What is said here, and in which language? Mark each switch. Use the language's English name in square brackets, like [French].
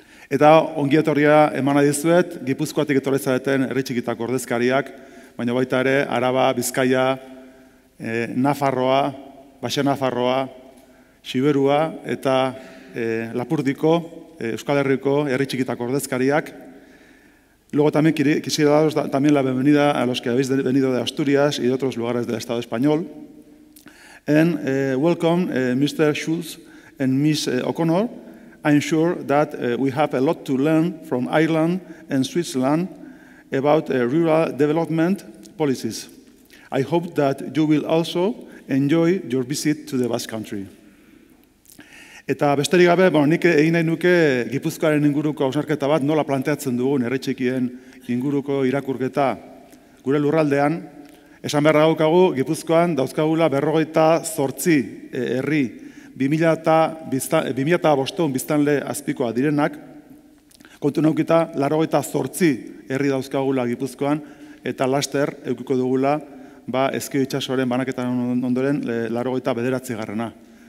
[Basque] Eta ongi etorria emana dizuet Gipuzkoatik etorri zareten herri txikitako ordezkariak, baina baita ere Araba, Bizkaia, Nafarroa, Baxe Nafarroa, Xiberua eta Lapurdiko, Euskal Herriko herri txikitako ordezkariak. [Spanish] Luego también quisiera daros también la bienvenida a los que habéis venido de Asturias y de otros lugares del Estado español. [English] And welcome Mr. Schulz and Ms. O'Connor. I'm sure that we have a lot to learn from Ireland and Switzerland about rural development policies. I hope that you will also enjoy your visit to the Basque Country. [Basque] Eta besterik gabe, bueno, nik egin nahi nuke Gipuzkoaren inguruko hausnarketa bat, nola planteatzen dugun herri txikien inguruko irakurketa gure lurraldean. Esan beharra daukagu, Gipuzkoan dauzkagula 48 herri 2005 biztanle azpikoa direnak, kontu naukita 88 herri dauzkagula Gipuzkoan, eta laster eukiko dugula ba Ezkio itsasoaren banaketan ondoren 89.